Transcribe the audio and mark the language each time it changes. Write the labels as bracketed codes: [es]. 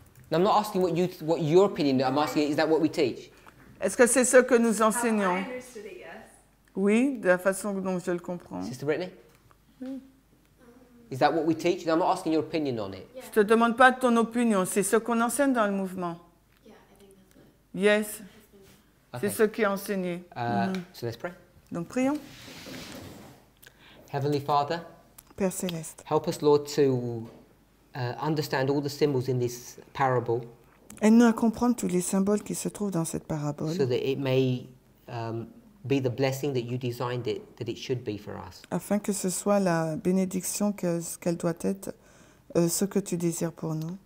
[en] I'm not asking what your opinion is. I'm asking, is that what we teach? [fr] Est-ce que c'est ce que nous enseignons? Oui, de la façon dont je le comprends. [en] Sister Brittany? [fr] Oui. [en] Is that what we teach? No, I'm not asking your opinion on it. Yeah. [fr] Je te demande pas ton opinion. C'est ce qu'on enseigne dans le mouvement. [en] Yeah, I think that's it. Yes. [fr] C'est okay. Ce qui est enseigné. [en] So let's pray. [fr] Donc prions. [en] Heavenly Father. [fr] Père Céleste. [en] Help us, Lord, to understand all the symbols in this parable. [fr] Aide-nous à comprendre tous les symboles qui se trouvent dans cette parabole. [en] So that it may be the blessing that you designed it, that it should be for us. [fr] Afin que ce soit la bénédiction qu'elle doit être, ce que tu désires pour nous.